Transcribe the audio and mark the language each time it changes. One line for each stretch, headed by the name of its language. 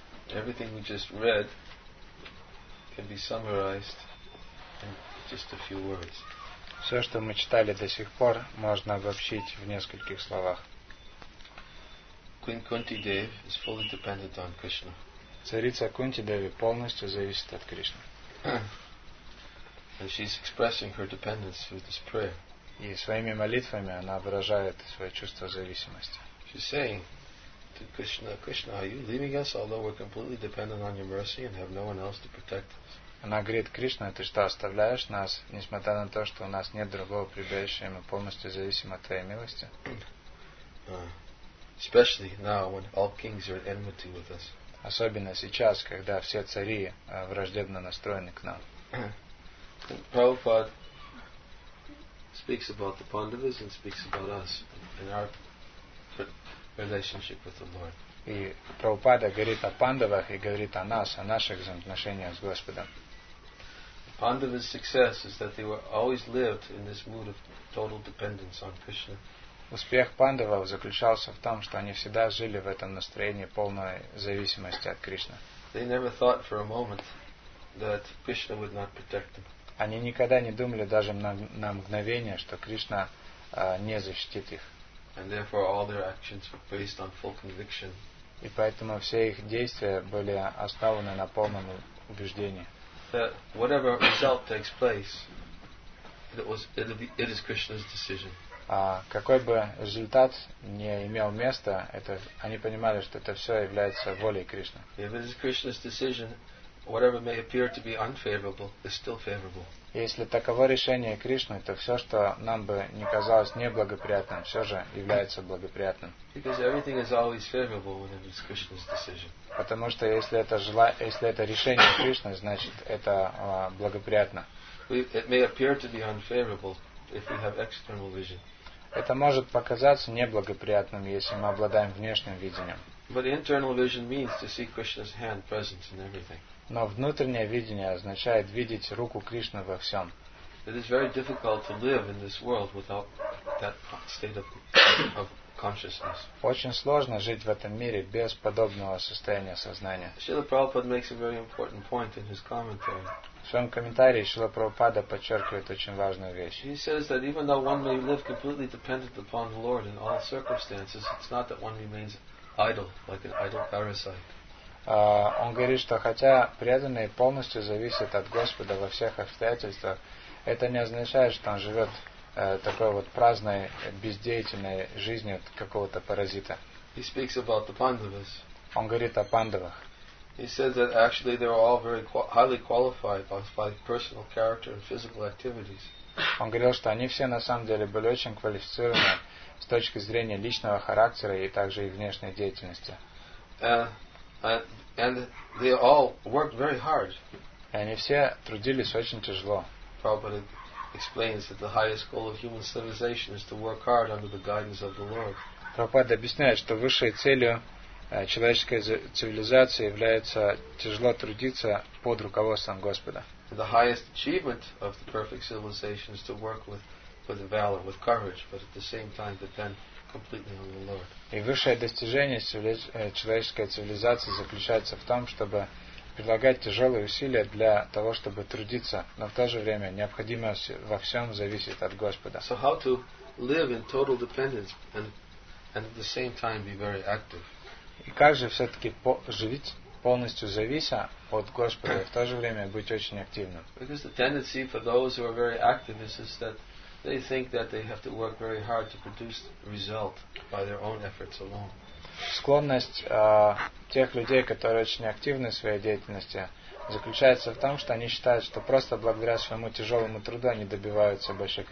English: Everything we just read can be summarized in just a few words.
Russian: Все, что мы читали до сих пор, можно обобщить в нескольких словах.
English: Queen Kunti Devi is fully dependent on Krishna.
Russian: Царица Кунти Деви полностью зависит от Кришны.
English: And she's expressing her dependence through this prayer.
Russian: И своими молитвами она выражает свое чувство зависимости.
English: She's saying to Krishna, Krishna, are you leaving us although we're completely dependent on your mercy and have no one else to protect us?
Russian: Она говорит, Кришна, ты что, оставляешь нас, несмотря на то, что у нас нет другого прибежища, и мы полностью зависим от твоей милости?
English: Especially now, when all kings are enmity with us.
Russian: Особенно сейчас, когда все цари враждебно настроены к нам.
English: Prabhupada speaks about the Pandavas and speaks about us and our relationship with the Lord.
Russian: И Прабхупада говорит о пандавах и говорит о нас, о наших взаимоотношениях с Господом.
English: Pandava's success is that they were always lived in this mood of total dependence on Krishna.
Russian: Успех пандавов заключался в том, что они всегда жили в этом настроении полной зависимости от Кришны.
English: They never thought for a moment that Krishna would not protect them.
Russian: Они никогда не думали даже на мгновение, что Кришна не защитит их.
English: And therefore all their actions were based on full conviction.
Russian: И поэтому все их действия были основаны на полном убеждении.
English: That whatever result takes place, it is Krishna's decision.
Russian: Какой бы результат не имел места, это они понимали, что это все является волей Кришны.
English: If it is Krishna's decision, whatever may appear to be unfavorable is still favorable.
Russian: Если таково решение Кришны, то все, что нам бы не казалось неблагоприятным, все же является благоприятным.
English: Because everything is always favorable when it is Krishna's decision.
Russian: Потому что если это решение Кришны, значит это благоприятно.
English: It may appear to be unfavorable if we have external vision.
Russian: Это может показаться неблагоприятным, если мы обладаем внешним видением.
English: But internal vision means to see Krishna's hand present in everything.
Russian: Но внутреннее видение означает видеть руку Кришны во всем.
English: It is very difficult to live in this world without that state of consciousness.
Russian: Очень сложно жить в этом мире без подобного состояния сознания.
English: Srila Prabhupada makes a very important point in his commentary.
Russian: В своем комментарии Srila Prabhupada подчеркивает очень важную вещь.
English: He says that even though one may live completely dependent upon the Lord in all circumstances, it's not that one remains idle, like an idle parasite.
Russian: Он говорит, что хотя преданный полностью зависит от Господа во всех обстоятельствах, это не означает, что он живет такой вот праздной, бездеятельной жизнью какого-то паразита.
English: He speaks about the Pandavas.
Russian: Он говорит о пандавах.
English: He says that actually they were all very highly qualified by personal character and physical activities.
Russian: Он говорил, что они все на самом деле были очень квалифицированы с точки зрения личного характера и также и внешней деятельности.
English: And they all worked very hard.
Russian: Они все трудились очень тяжело.
English: Prabhupada explains that the highest goal of human civilization is to work hard under the guidance of the Lord.
Russian: Prabhupada объясняет, что высшей целью человеческой цивилизации является тяжело трудиться под руководством Господа.
English: The highest achievement of the perfect civilization is to work with valor, with courage, but at the same time depend completely on the Lord.
Russian: И высшее достижение человеческой цивилизации заключается в том, чтобы прилагать тяжелые усилия для того, чтобы трудиться, но в то же время необходимо во всем зависеть от Господа.
English: So how to live in total dependence and at the same time be very active?
Russian: И как же все-таки жить полностью завися от Господа и в то же время быть очень активным?
English: Because the tendency for those who are very active is that they think that they have to work very hard to produce result by their own efforts alone.
Russian: Склонность тех людей, которые очень активны в своей деятельности, заключается в том, что они считают, что просто благодаря своему тяжелому труду они добиваются больших